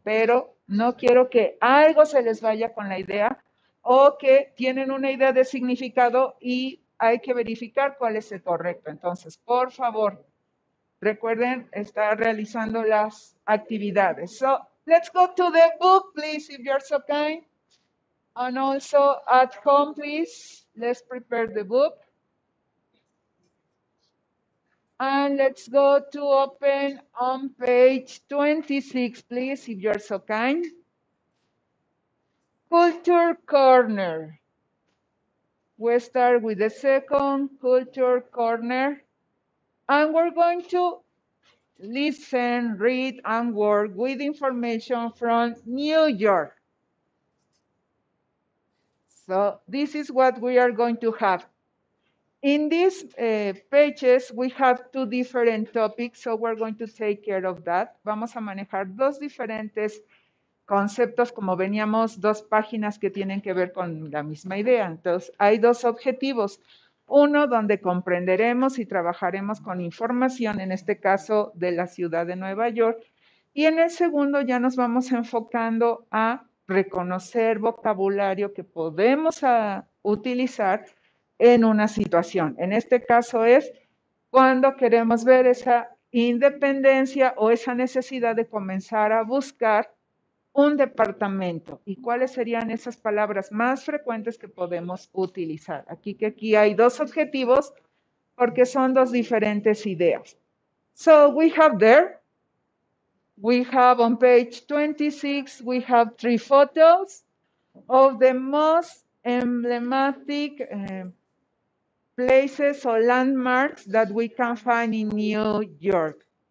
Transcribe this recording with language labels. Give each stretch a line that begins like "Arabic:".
Spanish: Pero no quiero que algo se les vaya con la idea o que tienen una idea de significado y hay que verificar cuál es el correcto. Entonces, por favor, recuerden estar realizando las actividades.
English: So, let's go to the book, please, if you're so kind. And also at home, please, let's prepare the book. And let's go to open on page 26, please, if you're so kind. Culture Corner. We start with the second Culture Corner. And we're going to listen, read, and work with information from New York. So this is what we are going to have. In these pages, we have two different topics, so we're going to take care of that.
Spanish: Vamos a manejar dos diferentes conceptos, como veníamos, dos páginas que tienen que ver con la misma idea. Entonces, hay dos objetivos. Uno, donde comprenderemos y trabajaremos con información, en este caso de la ciudad de Nueva York. Y en el segundo, ya nos vamos enfocando a reconocer vocabulario que podemos utilizar en una situación. En este caso es cuando queremos ver esa independencia o esa necesidad de comenzar a buscar un departamento y cuáles serían esas palabras más frecuentes que podemos utilizar. Aquí hay dos objetivos porque son dos diferentes ideas.
English: So we have there, we have on page 26, we have three photos of the most emblematic places or landmarks that we can find in New York.